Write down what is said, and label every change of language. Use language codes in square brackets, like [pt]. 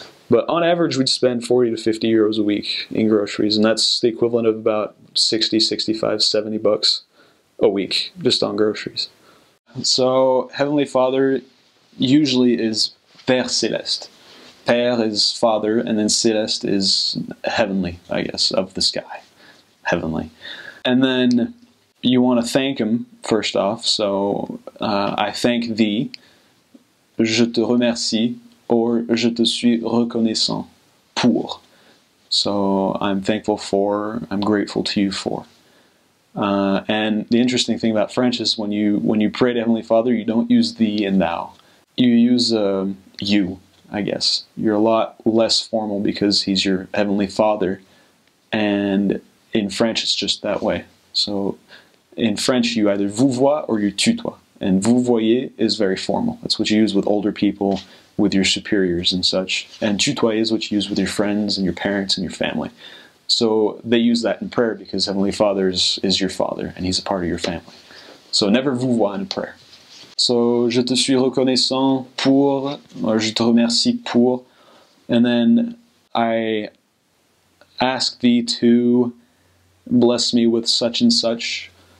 [en] But on average, we'd spend 40 to 50 euros a week in groceries, and that's the equivalent of about 60, 65, 70 bucks a week, just on groceries. So Heavenly Father usually is Père Céleste. Père is Father, and then Céleste is heavenly, I guess, of the sky. Heavenly. And then you want to thank him, first off. So I thank thee, [fr] je te remercie, [en] or [fr] je te suis reconnaissant, pour. [en] So I'm thankful for, I'm grateful to you for. And the interesting thing about French is when you pray to Heavenly Father, you don't use thee and thou. You use you, I guess. You're a lot less formal because he's your Heavenly Father. And in French, it's just that way. So in French, you either [fr] vous vois [en] or you tutoie. And vous voyez is very formal. That's what you use with older people, with your superiors and such. And tutoie is what you use with your friends and your parents and your family. So they use that in prayer because Heavenly Father is your father and he's a part of your family. So never [fr] vous voir [en] in prayer. [fr] So je te suis reconnaissant pour, or je te remercie pour. [en] And then I ask thee to bless me with such and such.